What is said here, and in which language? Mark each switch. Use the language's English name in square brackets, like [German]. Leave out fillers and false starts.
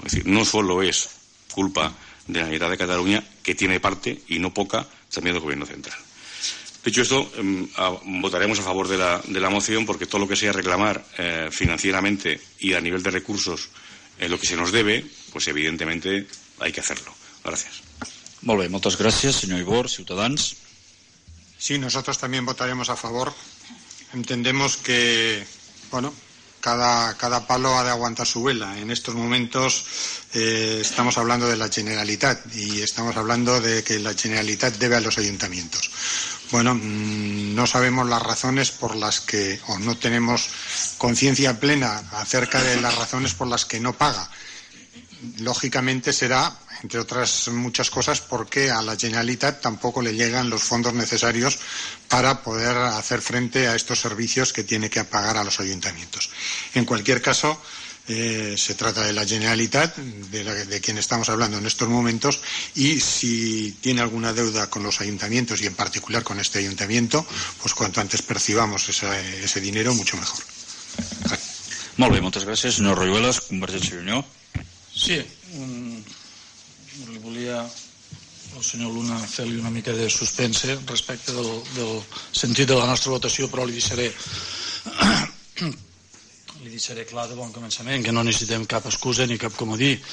[Spanish] Es decir, no solo es culpa de la Generalitat de Cataluña, que tiene parte, y no poca, también del gobierno central. Dicho esto, votaremos a favor de la moción, porque todo lo que sea reclamar financieramente y a nivel de recursos lo que se nos debe, pues evidentemente hay que hacerlo. Gracias. [Catalan] Molt bé, moltes gràcies, senyor Ibor, Ciutadans. [Spanish] Sí, nosotros también votaremos a favor. Entendemos que, bueno, cada palo ha de aguantar su vela. En estos momentos estamos hablando de la Generalitat y estamos hablando de que la Generalitat debe a los ayuntamientos. Bueno, no sabemos las razones por las que, o no tenemos conciencia plena acerca de las razones por las que no paga. Lógicamente será, entre otras muchas cosas, porque a la Generalitat tampoco le llegan los fondos necesarios para poder hacer frente a estos servicios que tiene que pagar a los ayuntamientos. En cualquier caso, se trata de la Generalitat, de quien estamos hablando en estos momentos, y si tiene alguna deuda con los ayuntamientos y en particular con este ayuntamiento, pues cuanto antes percibamos ese dinero, mucho mejor. [Catalan] Molt bé, moltes gràcies. Senyor Royuelas, Convergència i Unió. Sí, li volia al senyor Luna fer-li una mica de suspense respecte del sentit de la nostra votació, però li deixaré... Li deixaré clar de bon començament que no necessitem cap excusa ni cap comodí.